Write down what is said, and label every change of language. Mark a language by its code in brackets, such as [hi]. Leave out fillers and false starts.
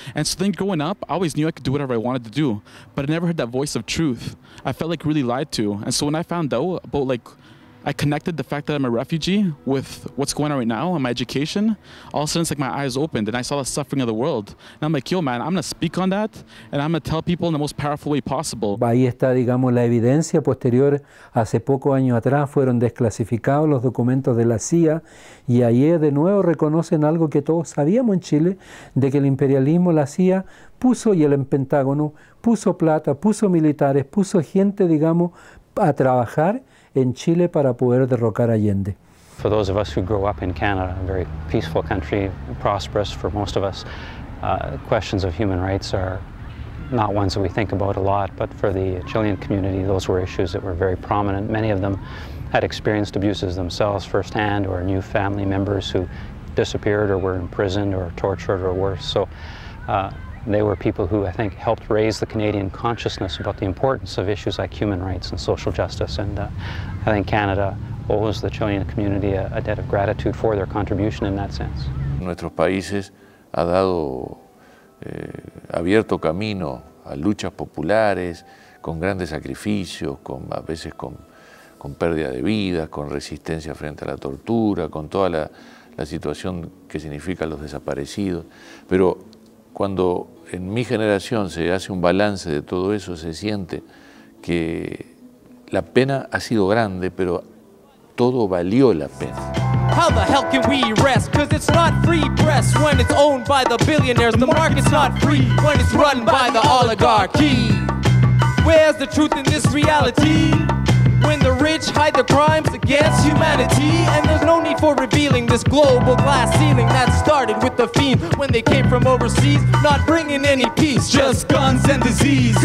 [en] And so then growing up, I always knew I could do whatever I wanted to do, but I never heard that voice of truth. I felt like really lied to. And so when I found out about like, I connected the fact that I'm a refugee with what's going on right now in my education. All of a sudden, it's like my eyes opened and I saw the suffering of the world. And I'm like, yo, man, I'm going to speak on that and I'm going to tell people in the most powerful way possible. [es] Ahí está, digamos, la evidencia posterior. Hace poco año atrás fueron desclasificados los documentos de la CIA y ahí de nuevo reconocen algo que todos sabíamos en Chile, de que el imperialismo, la CIA, puso, y el Pentágono, puso plata, puso militares, puso gente, digamos, a trabajar en Chile para poder derrocar Allende. [en] For those of us who grew up in Canada, a very peaceful country, prosperous for most of us, questions of human rights are not ones that we think about a lot, but for the Chilean community, those were issues that were very prominent. Many of them had experienced abuses themselves firsthand or knew family members who disappeared or were imprisoned or tortured or worse. So they were people who, I think, helped raise the Canadian consciousness about the importance of issues like human rights and social justice. And I think Canada owes the Chilean community a debt of gratitude for their contribution in that sense. [es] Nuestros países ha dado abierto camino a luchas populares con grandes sacrificios, con a veces con pérdida de vidas, con resistencia frente a la tortura, con toda la situación que significa los desaparecidos. Pero cuando en mi generación se hace un balance de todo eso, se siente que la pena ha sido grande, pero todo valió la pena. [en] How the hell can we rest? Cause it's not free press when it's owned by the billionaires. The market's not free when it's run by the oligarchy. Where's the truth in this reality? When the rich hide their crimes against humanity. And there's no need for revealing this global glass ceiling that started with the fiend when they came from overseas, not bringing any peace, just guns and disease.